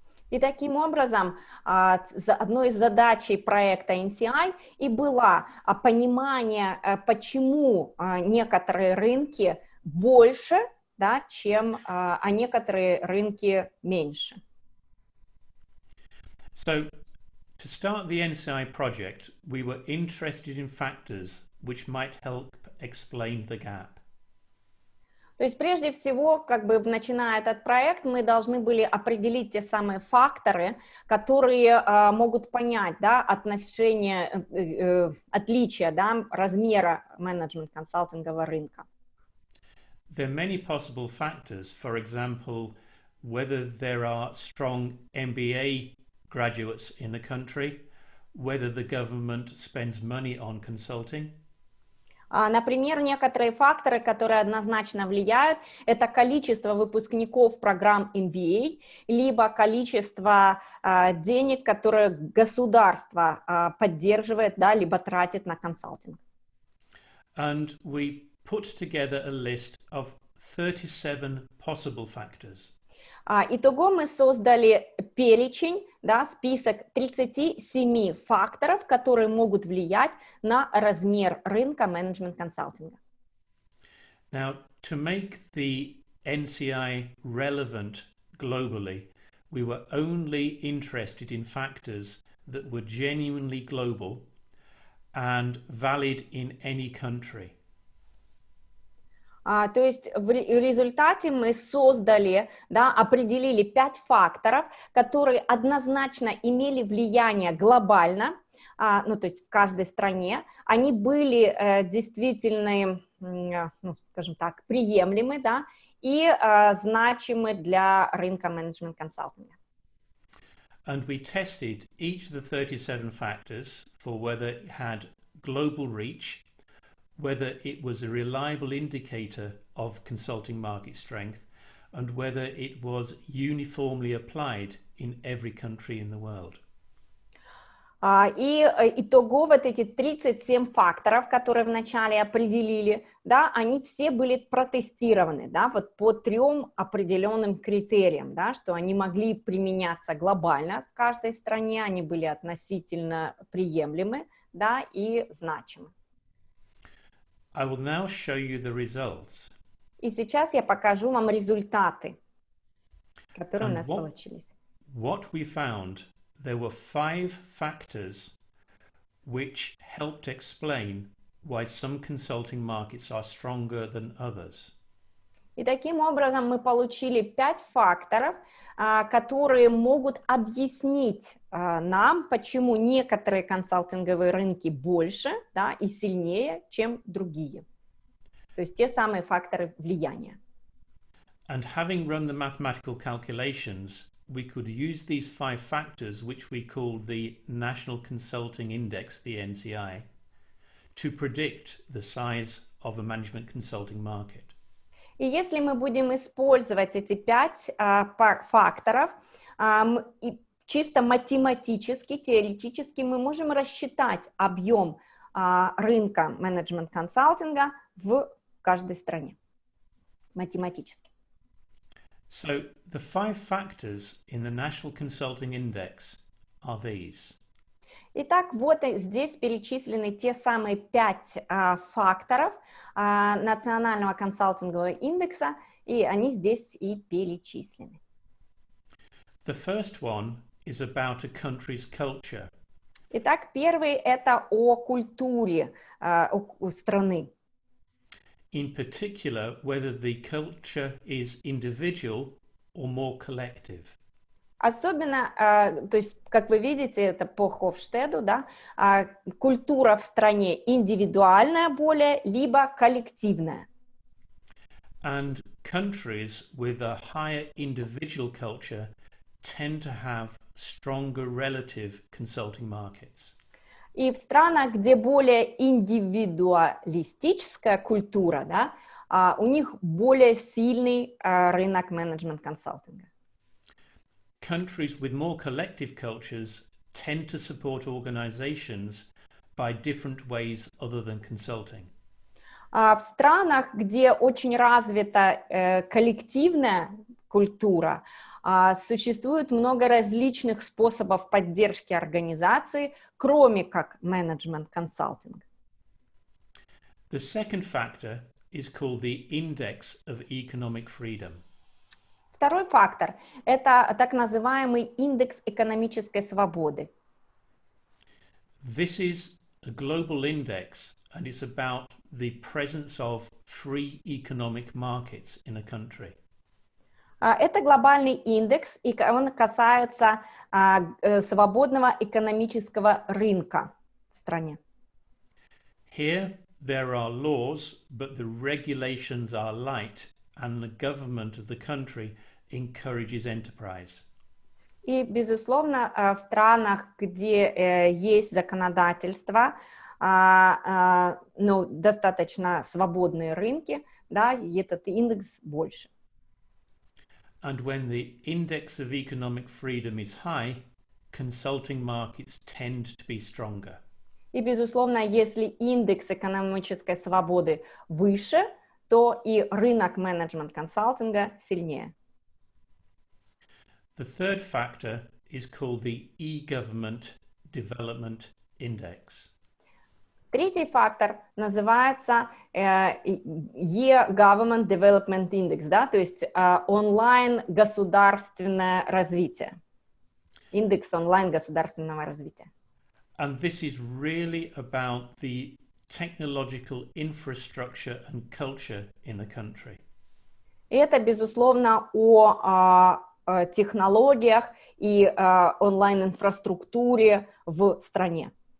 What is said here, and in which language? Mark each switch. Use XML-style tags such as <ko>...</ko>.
<ru>И таким образом, одной из задач проекта NCI и было понимание, почему некоторые рынки больше, да, чем а некоторые рынки меньше.</ru> <en>So, to start the NCI project, we were interested in factors which might help explain the gap.</en> <ru>То есть прежде всего, как бы начиная этот проект, мы должны были определить те самые факторы, которые могут понять, да, отношение, отличие, да, размера менеджмент-консалтингового рынка.</ru> <en>There are many possible factors. For example, whether there are strong MBA graduates in the country, whether the government spends money on consulting.</en> <ru>Например, некоторые факторы, которые однозначно влияют, это количество выпускников программ MBA, либо количество денег, которые государство поддерживает, да, либо тратит на консалтинг.</ru> <en>And we put together a list of 37 possible factors.</en> <ru>Итого мы создали перечень, да, список 37 факторов, которые могут влиять на размер рынка менеджмент-консалтинга.</ru> <en>Now, to make the NCI relevant globally, we were only interested in factors that were genuinely global and valid in any country.</en> <ru>То есть в результате мы создали, да, определили 5 факторов, которые однозначно имели влияние глобально, ну, то есть в каждой стране. Они были действительно, ну, скажем так, приемлемы, да, и значимы для рынка менеджмент консалтинга.</ru> <en>And we tested each of the 37 factors for whether it had global reach, whether it was a reliable indicator of consulting market strength, and whether it was uniformly applied in every country in the world.</en> <ru>И итого вот эти 37 факторов, которые вначале определили, да, они все были протестированы, да, вот по трем определенным критериям, да, что они могли применяться глобально в каждой стране, они были относительно приемлемы, да, и значимы.</ru> <en>I will now show you the results.</en> <ru>И сейчас я покажу вам результаты, которые у нас получились.</ru> <en>What we found, there were 5 factors which helped explain why some consulting markets are stronger than others.</en> <ru>И таким образом мы получили 5 факторов, которые могут объяснить нам, почему некоторые консалтинговые рынки больше, да, и сильнее, чем другие. То есть те самые факторы влияния.</ru> <en>And having run the mathematical calculations, we could use these 5 factors, which we call the National Consulting Index, the NCI, to predict the size of a management consulting market.</en> <ru>И если мы будем использовать эти 5 факторов, и чисто математически, теоретически, мы можем рассчитать объем рынка менеджмент консалтинга в каждой стране. Математически.</ru> <en>So, the 5 factors in the National Consulting Index are these.</en> <ru>Итак, вот здесь перечислены те самые 5 факторов Национального консалтингового индекса, и они здесь и перечислены.</ru> <en>The first one is about a country's culture.</en> <ru>Итак, первый – это о культуре страны.</ru> <en>In particular, whether the culture is individual or more collective.</en> <ru>Особенно, то есть, как вы видите, это по Хофштеду, да, культура в стране индивидуальная более, либо коллективная.</ru> <en>And countries with a higher individual culture tend to have stronger relative consulting markets.</en> <ru>И в странах, где более индивидуалистическая культура, да, у них более сильный рынок менеджмент консалтинга.</ru> <en>Countries with more collective cultures tend to support organizations by different ways other than consulting.</en> <ru>В странах, где очень развита коллективная культура, существует много различных способов поддержки организации, кроме как менеджмент консалтинг.</ru> <en>The second factor is called the index of economic freedom.</en> <ru>Второй фактор – это так называемый индекс экономической свободы.</ru> <en>This is a global index, and it's about the presence of free economic markets in a country.</en> <ru>Это глобальный индекс, и он касается свободного экономического рынка в стране.</ru> <en>Here there are laws, but the regulations are light, and the government of the country encourages enterprise.</en> <ru>И безусловно, в странах, где есть законодательство, ну, достаточно свободные рынки, да, и этот индекс больше.</ru> <en>And when the index of economic freedom is high, consulting markets tend to be stronger.</en> <ru>И, безусловно, если индекс экономической свободы выше, то и рынок менеджмент консалтинга сильнее.</ru> <en>The third factor is called the e-government development index.</en> <ru>Третий фактор называется e-government development index, да, то есть онлайн государственное развитие. Индекс онлайн государственного развития.</ru> <en>And this is really about the technological infrastructure and culture in the country.</en> <ru>Это, безусловно, о технологиях и онлайн-инфраструктуре в стране.</ru>